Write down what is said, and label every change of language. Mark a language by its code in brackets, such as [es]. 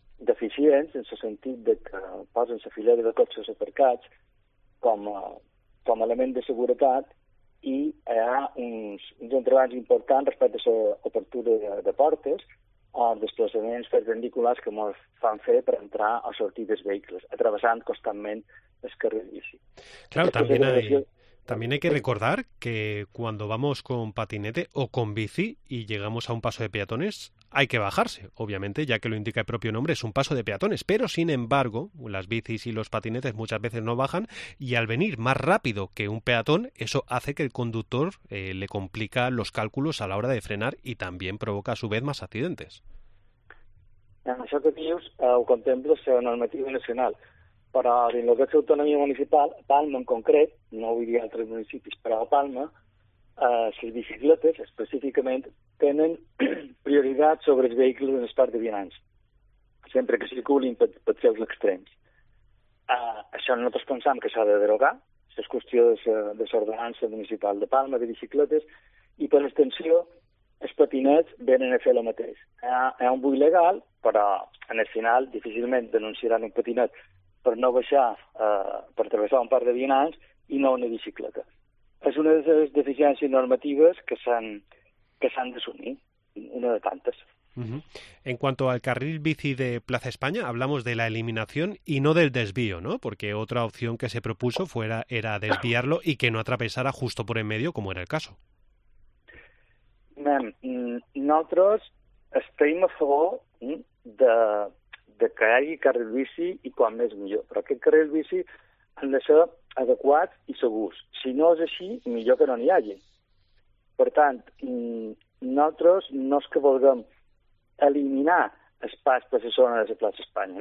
[ca] deficients en el sentit de que posen la filera de cotxes aparcats com a element de seguretat i hi ha uns entrebancs importants respecte a l'obertura de portes o desplaçaments perpendiculars que ens fan fer per entrar o sortir dels vehicles, atravessant constantment els carrers bici. [es] Claro, también hay que recordar que cuando vamos con patinete o con bici y llegamos a un paso de peatones, hay que bajarse, obviamente, ya que lo indica el propio nombre, es un paso de peatones. Pero, sin embargo, las bicis y los patinetes muchas veces no bajan y al venir más rápido que un peatón, eso hace que el conductor le complica los cálculos a la hora de frenar y también provoca a su vez más accidentes. [ca] Eso que dius, ho contemplo la normativa nacional. Però dins el que és l'autonomia municipal, a Palma en concret, no vull dir altres municipis, però a Palma, les bicicletes específicament tenen prioritat sobre els vehicles en espai de vianants, sempre que circulin per seus extrems. Això nosaltres pensem que s'ha de derogar, és qüestió de l'ordenança municipal de Palma, de bicicletes, i per extensió els patinets venen a fer el mateix. Hi ha un buit legal, però en el final difícilment denunciaran un patinet per no baixar, per travessar un parc de vianants i no una bicicleta. És una de les deficiències normatives que s'han d'assumir, una de tantes. Uh-huh. [es] En cuanto al carril bici de Plaza España, hablamos de la eliminación y no del desvío, ¿no? Porque otra opción que se propuso era desviarlo y que no atravesara justo por en medio, como era el caso. [ca] Nosotros estem a favor de que hi hagi carrer bici i quan més millor. Però aquest carrer bici han de ser adequats i segurs. Si no és així, millor que no n'hi hagi. Per tant, nosaltres no és que vulguem eliminar els pas per la zona de la plaça Espanya.